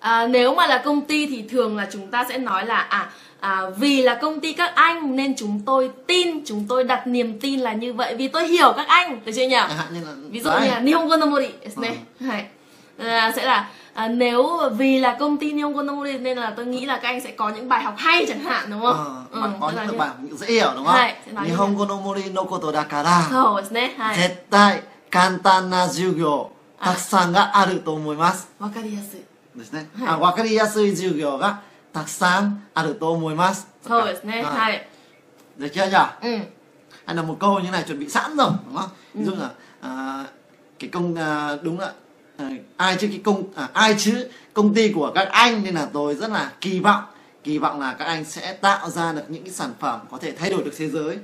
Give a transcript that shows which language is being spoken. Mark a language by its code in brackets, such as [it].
[vi] Nếu mà là công ty thì thường là chúng ta sẽ nói là vì là công ty các anh nên chúng tôi tin, chúng tôi đặt niềm tin là như vậy vì tôi hiểu các anh, được chưa nhỉ? Ví dụ như là Nihongo no Mori ne. Hai. Sẽ là nếu vì là công ty Nihongo no Mori nên là tôi nghĩ là các anh sẽ có những bài học hay chẳng hạn đúng không? Có những bài dễ hiểu đúng không? [ja] Nihongo no Mori no koto dakara. So desu ne. Hai. Zettai 簡単な授業たくさんがあると思います。わかりやすいですね、はい、あ、わかりやすい授業がたくさんあると思います。そうですね、はい、はい、じゃあ、じゃあ、うん、 [vi] anh là một câu như này chuẩn bị sẵn rồi, đúng không? Ví dụ là cái công đúng là ai chứ cái công ai chứ công ty của các anh, nên là tôi rất là kỳ vọng là các anh sẽ tạo ra được những cái sản phẩm có thể thay đổi được thế giới.